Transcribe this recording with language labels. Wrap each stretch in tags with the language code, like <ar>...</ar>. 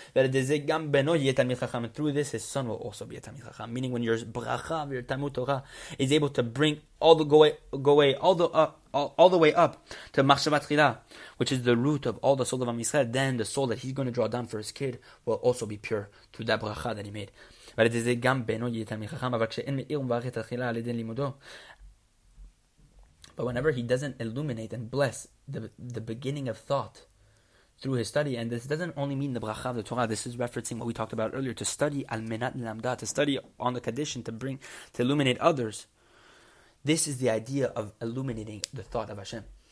<en>Through this, his son will also be a Tamid Chacham. Meaning when your bracha, your Tamu Torah, is able to bring all the way up to Machshava Tchila, which is the root of all the soul of Am Yisrael, then the soul that he's going to draw down for his kid will also be pure through that bracha that he made.</en> <he>ועל ידי זה גם בנו יהיה תלמיד חכם, אבל כשאין מאיר ומברך את התחילה על ידי לימודו.</he> <en>But whenever he doesn't illuminate and bless the beginning of thought through his study, and this doesn't only mean the bracha of the Torah, this is referencing what we talked about earlier, to study</en> <he>al menat lamda,</he> <en>to study on the condition to illuminate others. This is the idea of illuminating the thought of Hashem.</en>